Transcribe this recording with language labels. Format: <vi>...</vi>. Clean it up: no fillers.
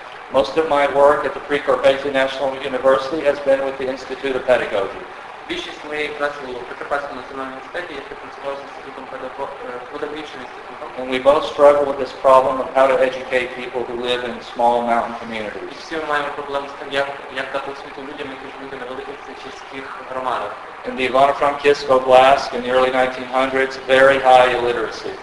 <en>Most of my work at the Pre-Carpathian National University has been with the Institute of Pedagogy.</en> <uk>Більшість моєї праці у Прикарпатському національному університеті, я працював з інститутом педагогічним інститутом.</uk> <en>And we both struggle with this problem of how to educate people who live in small mountain communities.</en> <uk>І всі ми маємо проблему з тим, як дати освіту людям, які живуть на великих сільських громадах.</uk> <en>In the Ivano-Frankivsk Oblast in the early 1900s, very high illiteracy.</en>